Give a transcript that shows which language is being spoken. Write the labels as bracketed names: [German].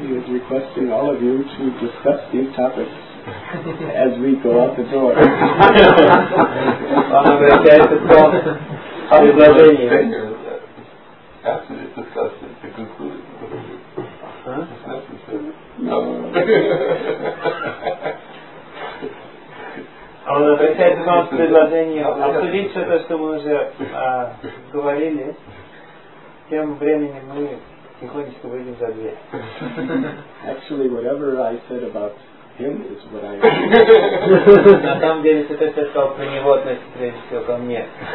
[English] He is requesting all of you to discuss these topics as we go out the door. [Russian] Он обращается к вам о предложении. [English] After the discussion, to conclude. [Russian] Он обращается к вам с предложением обсудить все то, что мы уже говорили. Тем временем мы тихонечко выйдем за дверь. [English] Actually, whatever I said about him is what I mean. [Russian] На самом деле, все то, что я сказал про него, относится прежде всего ко мне.